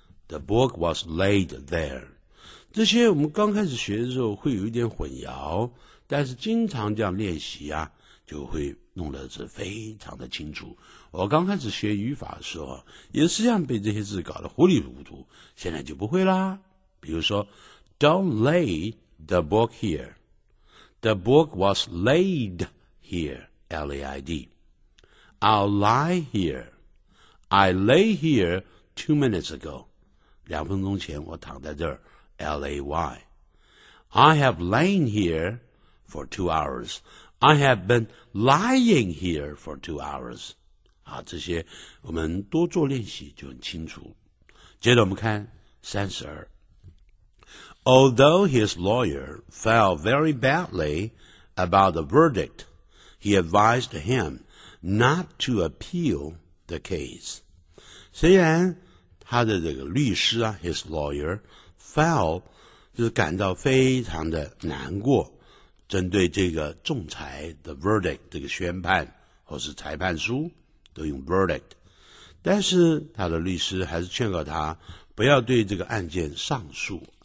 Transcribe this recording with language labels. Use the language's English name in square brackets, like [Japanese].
[English] The book was laid there。 [Chinese] 这些我们刚开始学的时候会有一点混淆，但是经常这样练习啊，就会弄得是非常的清楚。我刚开始学语法的时候也是这样被这些字搞得糊里糊涂，现在就不会啦。比如说 [English] Don't lay the book here。 The book was laid here, L-A-I-D. I'll lie here. I lay here 2 minutes ago. [Chinese] 两分钟前我躺在这儿 ,L-A-Y. [English] I have lain here for 2 hours. I have been lying here for 2 hours. [Chinese] 好，这些我们多做练习就很清楚。接着我们看32。 [English] Although his lawyer felt very badly about the verdict, he advised him not to appeal the case. [Chinese] 虽然他的这个律师啊 , [English] his lawyer, [Chinese] felt, 就是感到非常的难过，针对这个仲裁 ,the verdict, 这个宣判或是裁判书都用 verdict。但是他的律师还是劝告他不要对这个案件上诉。